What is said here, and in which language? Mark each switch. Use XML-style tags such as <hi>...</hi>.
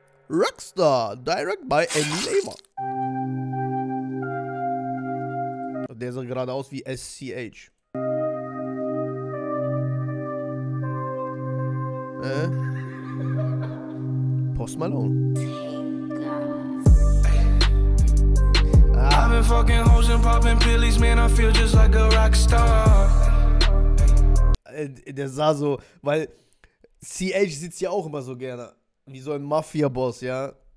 <en>Rockstar, direct by Andy Lehmann.</en> <de>Der sah gerade aus wie SCH.</de> <en>Post Malone. I've been fucking hoes and popping pillies, man, I feel just like a rockstar.</en> <de>Der sah so, weil CH sitzt ja auch immer so gerne. Wie so ein Mafia-Boss, ja.</de>